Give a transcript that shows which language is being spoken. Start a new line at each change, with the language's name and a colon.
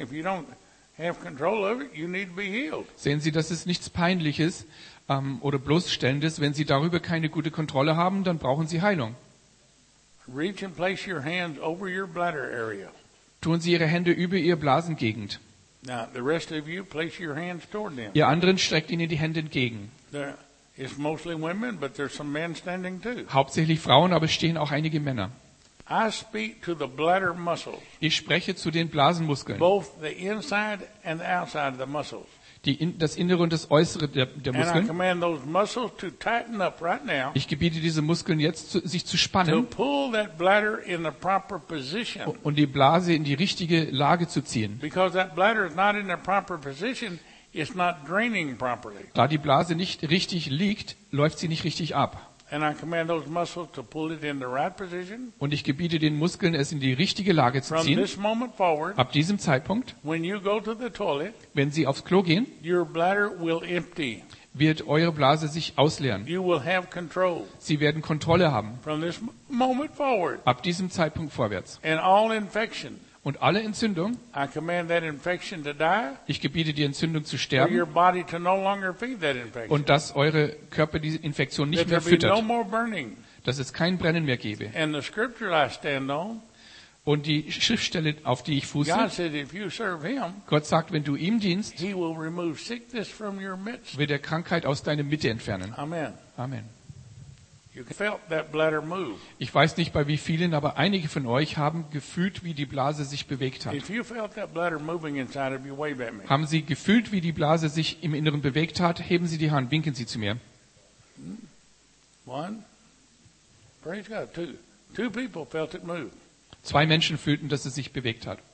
English: If you don't have control of it, you need to be healed.
German: Sehen Sie, das ist nichts Peinliches oder Bloßstellendes. Wenn Sie darüber keine gute Kontrolle haben, dann brauchen Sie Heilung.
English: Reach and place your hands over your bladder area.
German: Tun Sie Ihre Hände über Ihr Blasengegend.
English: Now, the rest of you place your hands toward them.
German: Ihr anderen streckt ihnen die Hände entgegen.
English: There is mostly women, but there's some men standing too.
German: Hauptsächlich Frauen, aber es stehen auch einige Männer.
English: I speak to the bladder muscles.
German: Ich spreche zu den Blasenmuskeln.
English: Both the inside and the outside of the muscles.
German: Das Innere und das Äußere der Muskeln.
English: And I command those muscles to tighten up right now.
German: Ich gebiete diese Muskeln jetzt, sich zu spannen.
English: To pull that bladder in the proper position.
German: Und die Blase in die richtige Lage zu ziehen.
English: Because that bladder is not in the proper position, it's not draining properly.
German: Da die Blase nicht richtig liegt, läuft sie nicht richtig ab.
English: And I command those muscles to pull it in the right position.
German: Und ich gebiete den Muskeln, es in die richtige Lage zu ziehen.
English: From this moment forward,
German: ab diesem Zeitpunkt,
English: when you go to the toilet,
German: wenn Sie aufs Klo gehen,
English: your bladder will empty.
German: Wird eure Blase sich ausleeren.
English: You will have control.
German: Sie werden Kontrolle haben.
English: From this moment forward,
German: ab diesem Zeitpunkt vorwärts.
English: And all infection,
German: und alle Entzündung,
English: I command that infection to die,
German: ich gebiete die Entzündung zu sterben,
English: your body to no longer feed that infection,
German: und dass eure Körper diese Infektion nicht mehr füttert,
English: no more burning,
German: dass es kein Brennen mehr gebe.
English: And the scripture I stand on,
German: und die Schriftstelle, auf die ich fuße,
English: God said, if you serve him,
German: Gott sagt, wenn du ihm dienst,
English: he will remove sickness from your midst,
German: wird er Krankheit aus deiner Mitte entfernen. Amen. Amen.
English: You felt that bladder move.
German: Ich weiß nicht bei wie vielen, aber einige von euch haben gefühlt, wie die Blase sich bewegt hat.
English: If you felt that bladder moving inside of you, wave at me.
German: Haben Sie gefühlt, wie die Blase sich im Inneren bewegt hat? Heben Sie die Hand, winken Sie zu mir.
English: One. Praise God. Two people felt it move.
German: Zwei Menschen fühlten, dass es sich bewegt hat.